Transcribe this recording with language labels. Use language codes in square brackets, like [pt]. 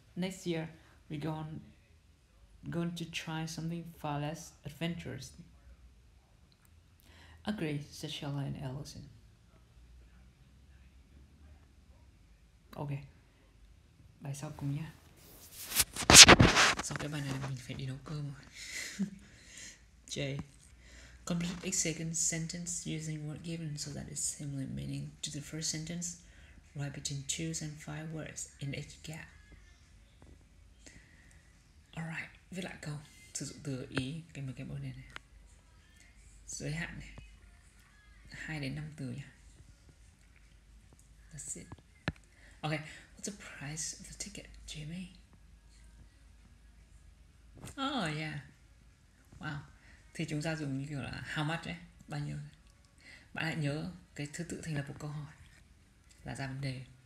[en] Next year, we go on. Going to try something far less adventurous. Agree, said Sheila and Allison. [vi] Okay. Bài sau cùng nhé. Sau cái bài này mình phải đi nấu cơm rồi. J. [en] Complete a second sentence using word given so that it's similar meaning to the first sentence. Write between 2 and 5 words in each gap. Alright. [vi] Viết lại câu sử dụng từ ý cái mà cái bôi này, giới hạn này 2 đến 5 từ nha. [en] That's it. Okay, what's the price of the ticket, Jimmy? Oh yeah, wow. [vi] Thì chúng ta dùng như kiểu là [en] how much [vi] đấy, bao nhiêu. Bạn hãy nhớ cái thứ tự thành lập của câu hỏi là ra vấn đề.